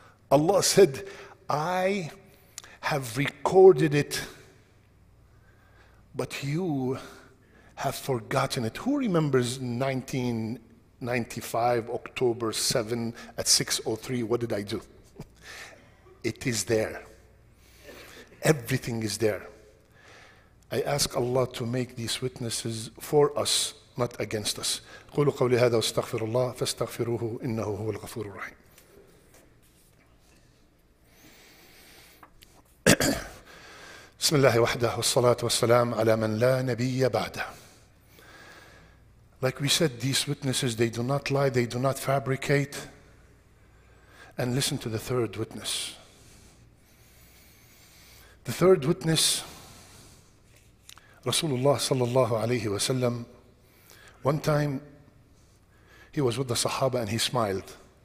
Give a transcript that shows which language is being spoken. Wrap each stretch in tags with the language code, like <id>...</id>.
<en>Allah said, I have recorded it, but you have forgotten it. Who remembers 1995, October 7 at 6:03? What did I do? It is there. Everything is there. I ask Allah to make these witnesses for us, not against us.</en> <ar>قولوا قولي هذا واستغفر الله فاستغفروه إنه هو الغفور الرحيم. بسم الله وحده والصلاة والسلام على من لا نبي بعده.</ar> <en>Like we said, these witnesses, they do not lie, they do not fabricate. And listen to the third witness. The third witness, Rasulullah sallallahu alayhi wa sallam, one time he was with the Sahaba and he smiled.</en>